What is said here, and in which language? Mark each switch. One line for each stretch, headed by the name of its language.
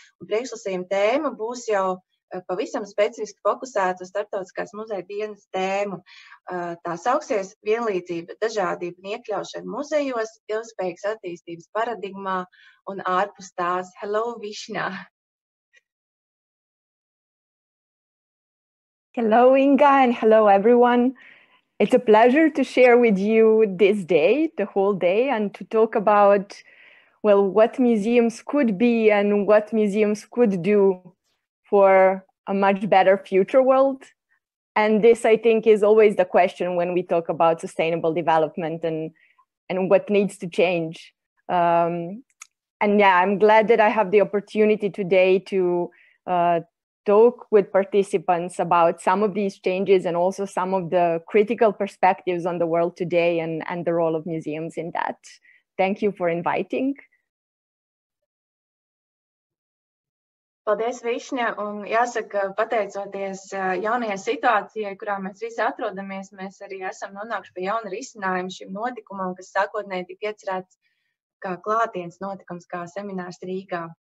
Latvian: Un priekšlasījuma tēma būs jau pavisam specifiski fokusēta uz Starptautiskās muzeja dienas tēmu. Tā sauksies vienlīdzība, dažādība un iekļaušana muzejos, ilgspējīgas attīstības paradigmā un ārpus tās.
English: Hello, Višņa! Hello, Inga, and hello, everyone. It's a pleasure to share with you this day, the whole day, and to talk about, well, what museums could be and what museums could do for a much better future world. And this, I think, is always the question when we talk about sustainable development and what needs to change. I'm glad that I have the opportunity today to talk with participants about some of these changes and also some of the critical perspectives on the world today and the role of museums in that. Thank you for inviting.
Latvian: Paldies, Višņa, un jāsaka, pateicoties jaunajai situācijai, kurā mēs visi atrodamies, mēs arī esam nonākuši pie jauna risinājuma šim notikumam, kas sākotnēji tika iecerēts kā klātienes notikums, kā seminārs Rīgā.